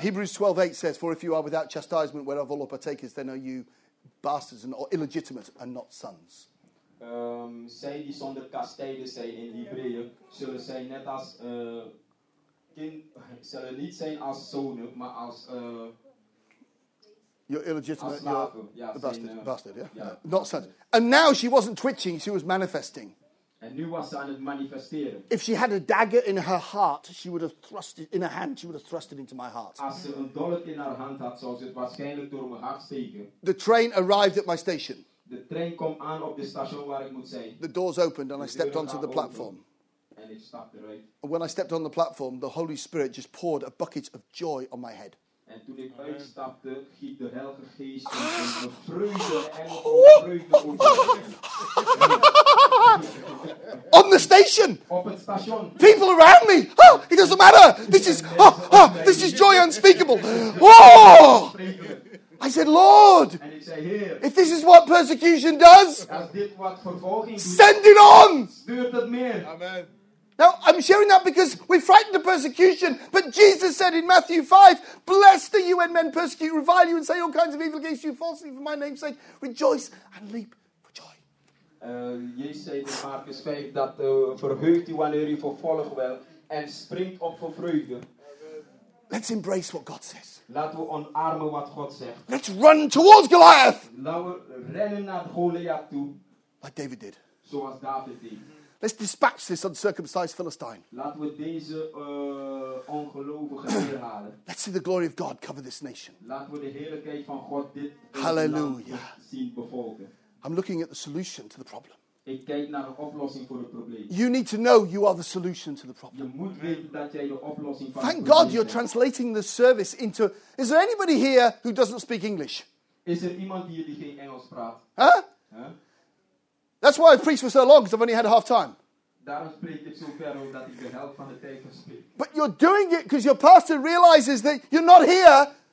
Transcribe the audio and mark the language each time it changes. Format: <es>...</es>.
<en>Hebrews 12:8 says, for if you are without chastisement, whereof all are partakers, then are you bastards and or illegitimate and not sons.</en> <nl>Zij die zonder kastijden zijn in Hebreeën, zullen zij net als kind, zullen niet zijn als zonen, maar als</nl> <en>you're illegitimate,</en> <nl>als slaven.</nl> <en>You're</en> <nl>ja,</nl> <en>bastard,</en> <nl>zijn,</nl> <en>bastard, yeah? Yeah. Not sons. And now she wasn't twitching, she was manifesting.</en> <nl>En nu was ze aan het manifesteren.</nl> <en>If she had a dagger in her heart, she would have thrust it in her hand, she would have thrust it into my heart.</en> <nl>Als ze een dolk in haar hand had, zou ze het waarschijnlijk door mijn hart steken.</nl> <en>The train arrived at my station.</en> <nl>De trein kwam aan op de station waar ik moet zijn.</nl> <en>The doors opened and I stepped onto the platform.</en> <nl>En ik stapte eruit.</nl> <en>And when I stepped on the platform, the Holy Spirit just poured a bucket of joy on my head.</en> <nl>En toen ik uitstapte, giet de Heilige Geest een vreugde en vreugde op mijn</nl> <en>head. On the station.</en> <nl>Op het station.</nl> <en>People around me. Oh, it doesn't matter. This is this is joy unspeakable. Oh! I said, Lord, if this is what persecution does, send it on. Amen. Now, I'm sharing that because we're frightened of persecution, but Jesus said in Matthew 5, blessed are you when men persecute, revile you, and say all kinds of evil against you falsely for my name's sake. Rejoice and leap for joy.</en> <nl>Jezus zei in Marcus 5 dat verheugt u wanneer u vervolgd wel en springt op voor vreugde.</nl> <en>Let's embrace what God says.</en> <nl>Laten we omarmen wat God zegt.</nl> <en>Let's run towards Goliath.</en> <nl>Laten we rennen naar Goliath toe.</nl> <en>Like David did.</en> <nl>Zoals David deed.</nl> <en>Let's dispatch this uncircumcised Philistine.</en> <nl>Laten we deze ongelovige weerhalen.</nl> <en>Let's see the glory of God cover this nation.</en> <nl>Laten we de heerlijkheid van God dit hallelujah zien bevolken.</nl> <en>I'm looking at the solution to the problem.</en> <nl>Ik kijk naar de oplossing voor het probleem.</nl> <en>You need to know you are the solution to the problem.</en> <nl>Je moet weten dat jij de oplossing van</nl> <en>thank God you're translating the service into. Is there anybody here who doesn't speak English?</en> <nl>Is er iemand hier die geen Engels praat? Huh?</nl> <en>That's why I preached for so long, because I've only had half time.</en> <nl>Daarom spreek ik zo ver omdat ik de helft van de tijd heb.</nl> <en>But you're doing it because your pastor realizes that you're not here</en>